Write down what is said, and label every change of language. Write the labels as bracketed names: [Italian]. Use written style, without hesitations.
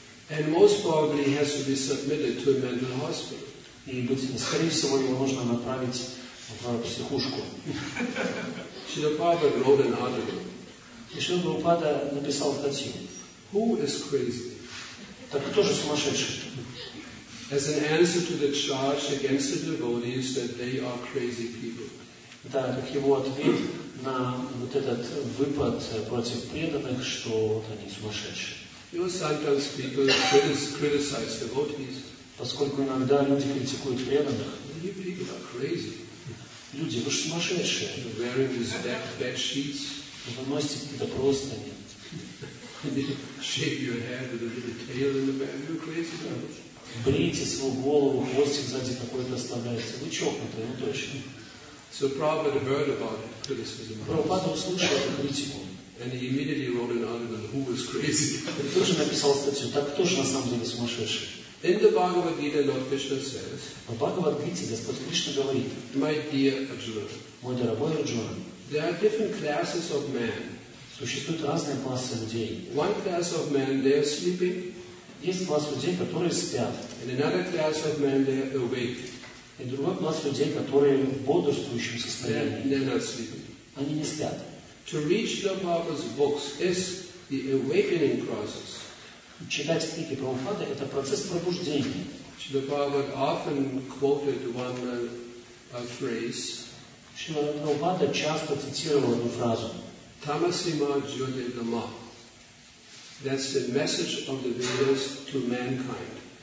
[English] And most probably he has to be submitted to a mental hospital. [Russian] И, скорее всего, его нужно направить в психушку. [English] Шрила Прабхупада wrote an article. [Russian] И Шрила Прабхупада написал статью. [English] Who is crazy? [Russian] Так кто же сумасшедший? [English] As an answer to the charge against the devotees that they are crazy people. [Russian] Да, как его ответ на вот этот выпад против преданных, что вот они сумасшедшие. [English] You know, sometimes people criticize devotees. [Russian] Поскольку иногда люди критикуют преданных. [English] You people are crazy. [Russian] Люди, вы же сумасшедшие. [English] You're wearing these black bed sheets. [Russian] Вы носите какие-то простыни. [English] Shave your head with a little tail in the back. You're crazy. [Russian] Брейте свою голову, хвостик сзади какой-то оставляете. Вы чокнутые, ну точно. [English] So Prabhupada heard about it, criticism. [Russian] Прабхупада услышал эту критику. [English] And he immediately wrote an article, who was crazy. [Russian] Тоже написал статью, так кто же на самом деле сумасшедший? [English] In the Bhagavad Gita, Lord Krishna says, [Russian] в Бхагавад Гите Господь Кришна говорит, [English] my dear Arjuna, [Russian] мой дорогой Арджуна, [English] there are different classes of men. [Russian] Существуют разные классы людей. [English] One class of men, they are sleeping. [Russian] Есть класс людей, которые спят. [English] And another class of men, they are awake. [Russian] И другой класс людей, которые в бодрствующем состоянии. [English] They are not sleeping. [Russian] Они не спят. [English] To reach the Prabhupada's books is the awakening process. [Russian] Читать книги Прабхупады – это процесс пробуждения. [English] Шрила Прабхупада often quoted one phrase. [Russian] Шрила Прабхупада часто цитировал одну фразу. [English] Tamasima Jyotirgama. That's the message of the Vedas to mankind.